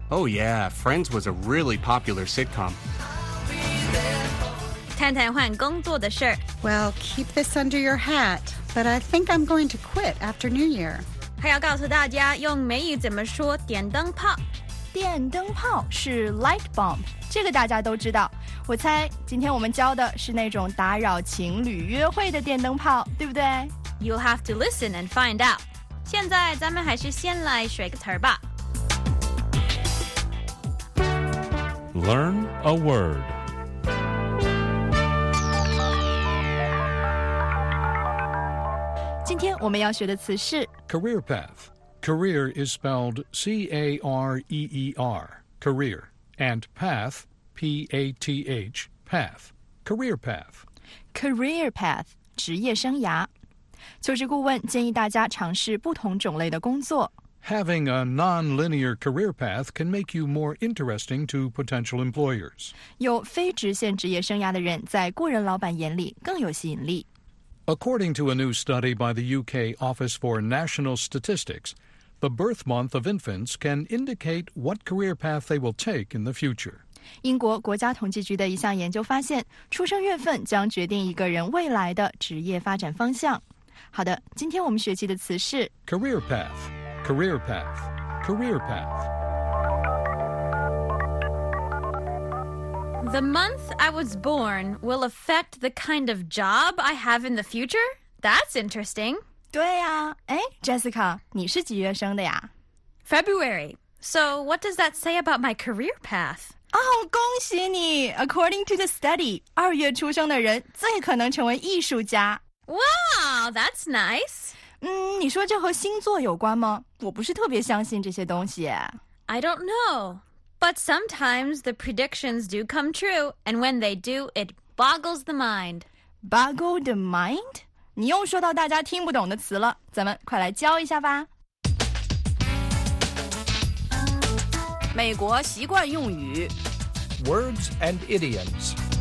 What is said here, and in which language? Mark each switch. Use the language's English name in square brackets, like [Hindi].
[English] Oh yeah, Friends was a really popular sitcom。 [Chinese] 谈谈换工作的事。 [English] Well, keep this under your hat, but I think I'm going to quit after New Year. [Chinese] 还要告诉大家用美语怎么说电灯泡。电灯泡是 [English] light bulb, [Chinese] 这个大家都知道。我猜今天我们教的是那种打扰情侣约会的电灯泡，对不对？ [English] You'll have to listen and find out. [Chinese] 现在咱们还是先来学个词吧。 [English] Learn a word. [Chinese] 今天我们要学的词是 [English] career path. Career is spelled C-A-R-E-E-R, career, and path, P-A-T-H, path, career path. Career path, [Chinese] 职业生涯。求职顾问建议大家尝试不同种类的工作。 [English] Having a non-linear career path can make you more interesting to potential employers. [Chinese] 有非直线职业生涯的人在雇人老板眼里更有吸引力。 [English] According to a new study by the UK Office for National Statistics, the birth month of infants can indicate what career path they will take in the future. [Chinese] 英国国家统计局的一项研究发现，出生月份将决定一个人未来的职业发展方向。好的，今天我们学习的词是 [English] career path, career path, career path. The month I was born will affect the kind of job I have in the future? That's interesting. [Chinese] 对呀、啊，哎 ，Jessica， 你是几月生的呀 [English] ？February. So what does that say about my career path? [Chinese] 哦、oh, ，恭喜你 ！ [English] According to the study, [Chinese] 二月出生的人最可能成为艺术家。 [English] Wow, that's nice. [Chinese] 嗯，你说这和星座有关吗？我不是特别相信这些东西。 [English] I don't know. But sometimes the predictions do come true, and when they do, it boggles the mind. Boggle the mind? [Chinese] 你又说到大家听不懂的词了，咱们快来教一下吧。美国习惯用语。 [English] Words and idioms.